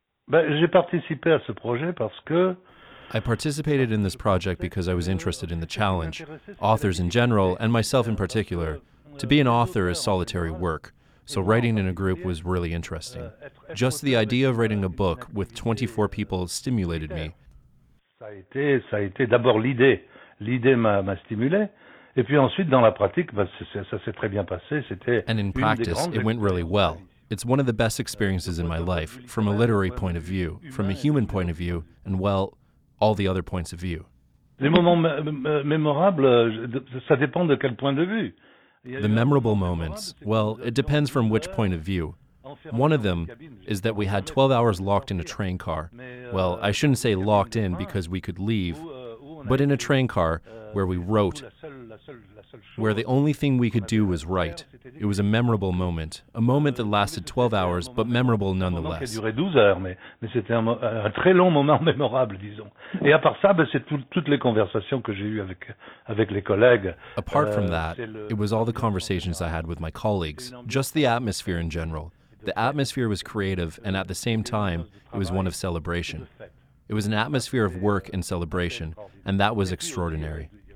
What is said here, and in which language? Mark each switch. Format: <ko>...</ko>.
<en>I participated in this project because I was interested in the challenge, authors in general, and myself in particular. To be an author is solitary work, so writing in a group was really interesting. Just the idea of writing a book with 24 people stimulated me.</en> <fr>Ça a été d'abord l'idée. L'idée m'a stimulé. Et puis ensuite, dans la pratique, ça s'est très bien passé.</fr> <en>And in practice, it went really well. It's one of the best experiences in my life, from a literary point of view, from a human point of view, and well, all the other points of view.</en> <fr>Les moments mémorables, ça dépend de quel point de vue.</fr> <en>The memorable moments, well, it depends from which point of view. One of them is that we had 12 hours locked in a train car. Well, I shouldn't say locked in because we could leave, but in a train car where we wrote, where the only thing we could do was write. It was a memorable moment, a moment that lasted 12 hours, but memorable nonetheless.</en> <fr>Ça a duré 12 heures, mais c'était un très long moment mémorable, disons. Et à part ça, c'est toutes les conversations que j'ai eues avec les collègues.</fr> <en>Apart from that, it was all the conversations I had with my colleagues, just the atmosphere in general. The atmosphere was creative, and at the same time, it was one of celebration. It was an atmosphere of work and celebration, and that was extraordinary.</en>